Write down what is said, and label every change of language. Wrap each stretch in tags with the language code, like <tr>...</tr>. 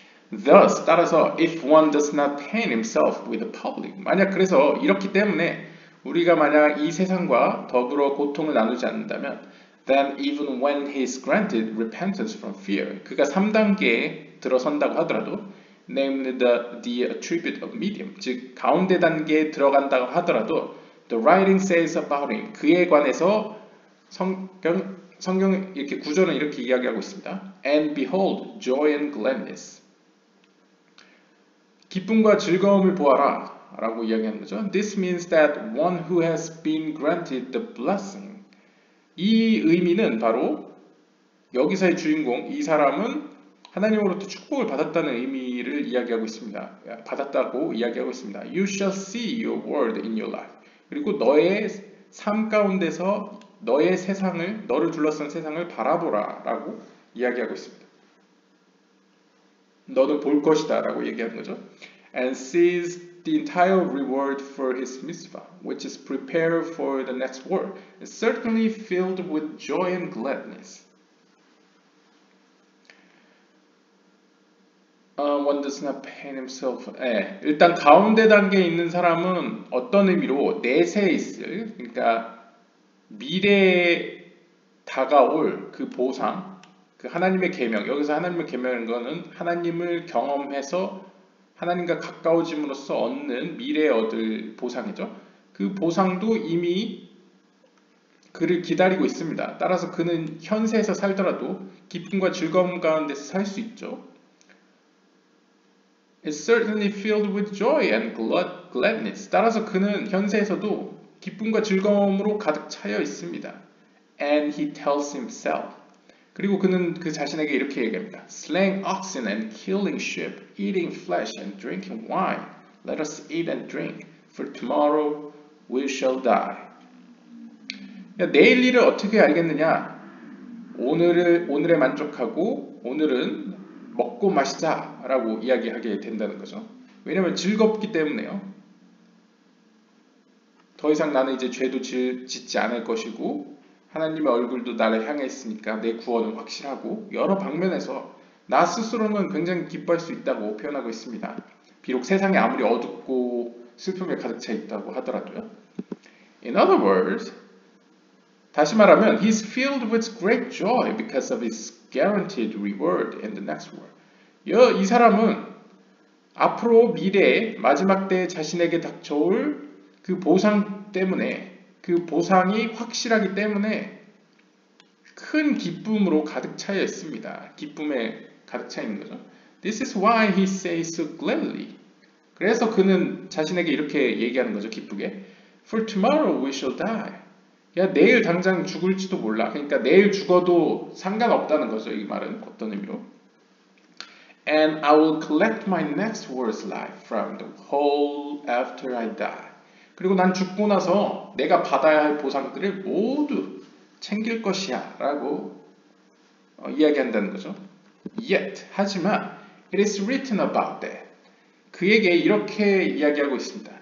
<en>Thus,</en> <ko>따라서</ko> <en>if one does not pain himself with the public,</en> <ko>만약 그래서 이렇기 때문에 우리가 만약 이 세상과 더불어 고통을 나누지 않는다면</ko> <en>then even when he is granted repentance from fear,</en> <ko>그가 3단계에 들어선다고 하더라도</ko> <en>namely the attribute of medium,</en> <ko>즉 가운데 단계에 들어간다고 하더라도</ko> <en>the writing says about him,</en> <ko>그에 관해서 성경 이렇게 구절은 이렇게 이야기하고 있습니다.</ko> <en>And behold, joy and gladness.</en> <ko>기쁨과 즐거움을 보아라 라고 이야기하는 거죠.</ko> <en>This means that one who has been granted the blessing.</en> <ko>이 의미는 바로 여기서의 주인공 이 사람은 하나님으로부터 축복을 받았다는 의미를 이야기하고 있습니다. 받았다고 이야기하고 있습니다.</ko> <en>You shall see your world in your life.</en> <ko>그리고 너의 삶 가운데서 너의 세상을, 너를 둘러싼 세상을 바라보라 라고 이야기하고 있습니다. 너는 볼 것이다 라고 얘기하는 거죠.</ko> <en>And sees the entire reward for his mitzvah, which is prepared for the next world, is certainly filled with joy and gladness. One does not pain himself. 네.</en> <ko>일단 가운데 단계에 있는 사람은 어떤 의미로 내세에 있을, 그러니까 미래에 다가올 그 보상, 그 하나님의 계명, 여기서 하나님의 계명인 것은 하나님을 경험해서 하나님과 가까워짐으로써 얻는 미래에 얻을 보상이죠. 그 보상도 이미 그를 기다리고 있습니다. 따라서 그는 현세에서 살더라도 기쁨과 즐거움 가운데서 살 수 있죠.</ko> <en>Is certainly filled with joy and gladness.</en> <ko>따라서 그는 현세에서도 기쁨과 즐거움으로 가득 차여 있습니다.</ko> <en>And he tells himself.</en> <ko>그리고 그는 그 자신에게 이렇게 얘기합니다.</ko> <en>Slaying oxen and killing sheep, eating flesh and drinking wine. Let us eat and drink, for tomorrow we shall die.</en> <ko>야, 내일 일을 어떻게 알겠느냐? 오늘에 만족하고 오늘은 먹고 마시자 라고 이야기하게 된다는 거죠. 왜냐면 즐겁기 때문에요. 더 이상 나는 이제 죄도 짓지 않을 것이고 하나님의 얼굴도 나를 향해 있으니까 내 구원은 확실하고 여러 방면에서 나 스스로는 굉장히 기뻐할 수 있다고 표현하고 있습니다. 비록 세상이 아무리 어둡고 슬픔에 가득 차 있다고 하더라도요.</ko> <en>In other words,</en> <ko>다시 말하면</ko> <en>He's filled with great joy because of His guaranteed reward in the next world.</en> <ko>이 사람은 앞으로 미래 마지막 때 자신에게 닥쳐올 그 보상 때문에 그 보상이 확실하기 때문에 큰 기쁨으로 가득 차여 있습니다. 기쁨에 가득 차 있는 거죠.</ko> <en>This is why he says so gladly.</en> <ko>그래서 그는 자신에게 이렇게 얘기하는 거죠. 기쁘게.</ko> <en>For tomorrow we shall die.</en> <ko>야, 내일 당장 죽을지도 몰라. 그러니까 내일 죽어도 상관없다는 거죠. 이 말은 어떤 의미로.</ko> <en>And I will collect my next world's life from the whole after I die.</en> <ko>그리고 난 죽고 나서 내가 받아야 할 보상들을 모두 챙길 것이야 라고 이야기한다는 거죠.</ko> <en>Yet,</en> <ko>하지만</ko> <en>it is written about that.</en> <ko>그에게 이렇게 이야기하고 있습니다.</ko>